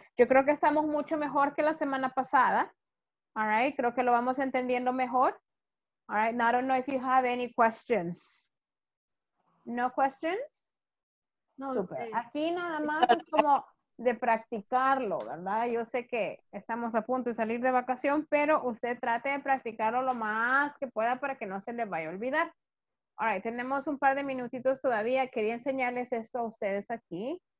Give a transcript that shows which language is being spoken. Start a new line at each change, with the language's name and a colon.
Spanish: Yo creo que estamos mucho mejor que la semana pasada.
English: All right.
Spanish: Creo que lo vamos entendiendo mejor. All right.
English: Now, I don't know if you have any questions. No questions? No. Super. Okay.
Spanish: Aquí nada más es como de practicarlo, ¿verdad? Yo sé que estamos a punto de salir de vacación, pero usted trate de practicarlo lo más que pueda para que no se le vaya a olvidar.
English: All right.
Spanish: Tenemos un par de minutitos todavía. Quería enseñarles esto a ustedes aquí.